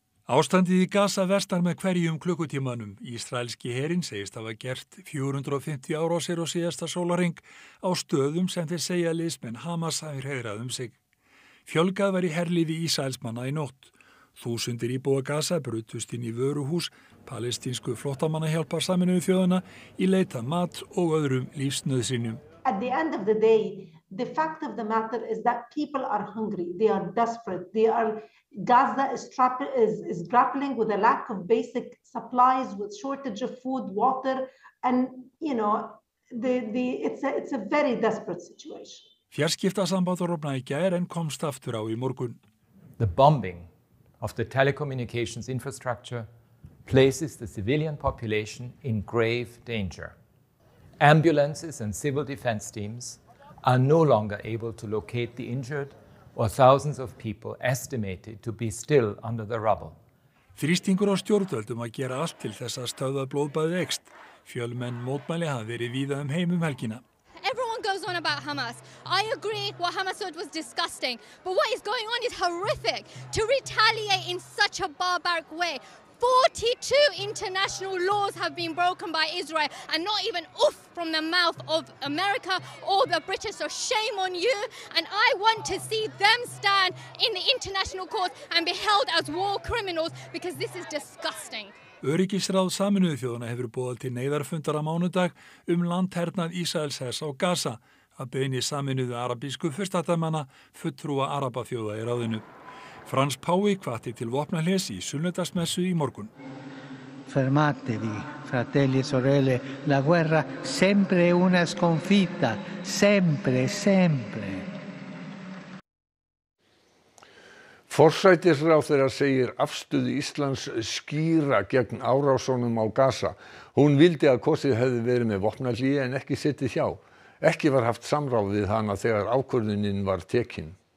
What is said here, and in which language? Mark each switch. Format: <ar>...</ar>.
<is>Ástandið í Gaza vestar með hverjum klukkutímanum. Ísraelski herinn segist hafa gert 450 árásir á síðasta sólarhring á stöðum sem þeir segja liðsmenn Hamas hafi hreiðrað sig. Fjölgað var í herlífi Ísraelsmanna í nótt. Þúsundir íbúa Gaza brutust inn í vöruhús, palestínsku flóttamannahjálpar Sameinuðu þjóðanna í leit að mat og öðrum lífsnauðsynjum.</is> <en>At the end of the day, the fact of the matter is that people are hungry, they are desperate, they are, Gaza is grappling with a lack of basic supplies, with shortage of food, water, and, you know, it's a very desperate situation.</en> <is>Fjarskiptasambandið rofnaði í gær en komst aftur á í morgun.</is> <en>The bombing of the telecommunications infrastructure places the civilian population in grave danger. Ambulances and civil defense teams are no longer able to locate the injured or thousands of people estimated to be still under the rubble.</en> <is>Þrýstingur á stjórnvöld að gera allt til þess að stöðva blóðbaðið eykst. Fjölmenn mótmæli hafa verið víða heim helgina.</is> <en>Everyone goes on about Hamas. I agree what Hamas did was disgusting, but what is going on is horrific. To retaliate in such a barbaric way. 42 international laws have been broken by Israel and not even oof from the mouth of America or the British. So shame on you. And I want to see them stand in the international court and be held as war criminals because this is disgusting.</en> <is>Öryggisráð Sameinuðu þjóðanna hefur boðað til neyðarfundar á mánudag landhernað Ísraelshers á Gaza að beiðni Sameinuðu arabísku furstadæmanna fulltrúa arabaþjóða í ráðinu. Frans Páfi hvatti til vopnahlés í sunnudagsmessu í morgun.</is> <it>Fermatevi, fratelli e sorelle, la guerra sempre una sconfitta, sempre, sempre.</it> <is>Forsætisráðherra segir afstöðu Íslands skýra gegn árásunum á Gaza. Hún vildi að kosið hefði verið með vopnahlé en ekki setið hjá. Ekki var haft samráð við hana þegar ákvörðunin var tekin.</is>